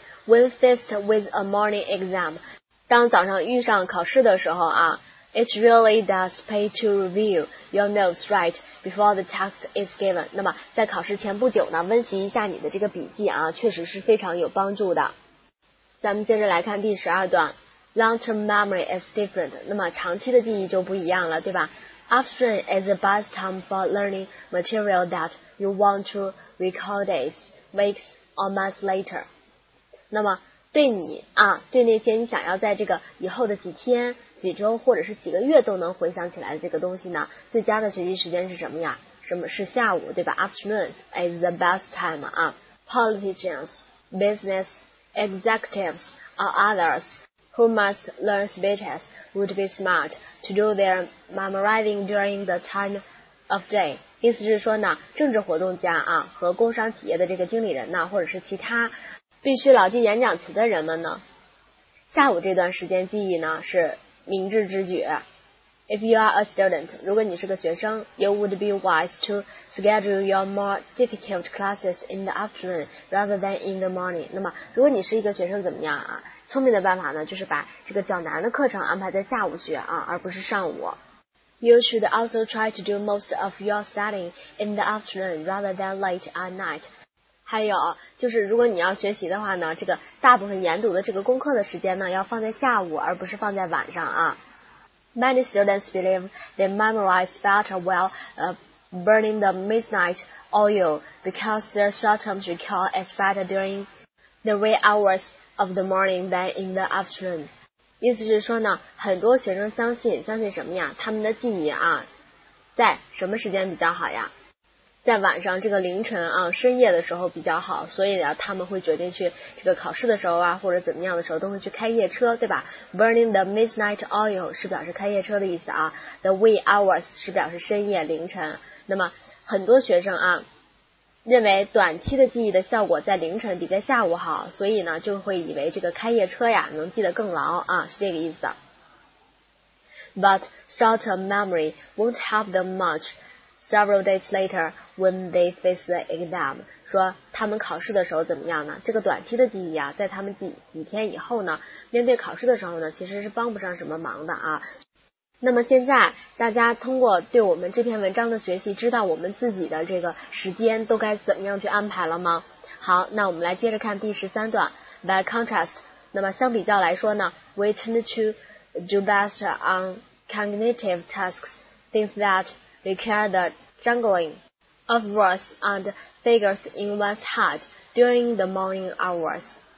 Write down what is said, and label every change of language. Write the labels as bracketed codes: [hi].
[en] When faced with a morning exam， [zh] 当早上遇上考试的时候啊 [en] ，It really does pay to review your notes right before the test is given。 [zh] 那么在考试前不久呢，温习一下你的这个笔记啊，确实是非常有帮助的。咱们接着来看第12段 ， [en] Long-term memory is different。 [zh] 那么长期的记忆就不一样了，对吧？ [en] Afternoon is the best time for learning material that you want to recall days, weeks, or months later. [zh] 那么对你啊，对那些你想要在这个以后的几天、几周或者是几个月都能回想起来的这个东西呢，最佳的学习时间是什么呀？什么是下午，对吧 ？ [en] Afternoon is the best time. 啊 ，politicians, business executives, or others. Who must learn speeches would be smart to do their memorizing during the time of day. [zh] 意思是说呢，政治活动家啊和工商企业的这个经理人呢，或者是其他必须牢记演讲词的人们呢，下午这段时间记忆呢是明智之举。 [en] If you are a student, [zh] 如果你是个学生 [en] ，you would be wise to schedule your more difficult classes in the afternoon rather than in the morning. [zh] 那么，如果你是一个学生，怎么样啊？聪明的办法呢，就是把这个较难的课程安排在下午学啊，而不是上午。 [en] You should also try to do most of your studying in the afternoon rather than late at night. [zh] 还有，就是如果你要学习的话呢，这个大部分研读的这个功课的时间呢，要放在下午，而不是放在晚上啊。 [en] Many students believe they memorize better while burning the midnight oil because their short-term recall is better during the wee hours of the morning than in the afternoon. [zh] 意思是说呢，很多学生相信什么呀？他们的记忆啊，在什么时间比较好呀？在晚上这个凌晨啊深夜的时候比较好，所以呢他们会决定去这个考试的时候啊或者怎么样的时候都会去开夜车，对吧？ Burning the midnight oil 是表示开夜车的意思啊， The wee hours 是表示深夜凌晨。那么很多学生啊认为短期的记忆的效果在凌晨比在下午好，所以呢就会以为这个开夜车呀能记得更牢啊，是这个意思的。 [en] But shorter memory won't help them much several days later when they face the exam. [zh] 说他们考试的时候怎么样呢？这个短期的记忆啊，在他们几天以后呢，面对考试的时候呢，其实是帮不上什么忙的啊。那么现在大家通过对我们这篇文章的学习，知道我们自己的这个时间都该怎么样去安排了吗？好，那我们来接着看第十三段。 [en] By contrast, [zh] 那么相比较来说呢 [en] ，we tend to do best on cognitive tasks, things that require the juggling of words and figures in one's head during the morning hours.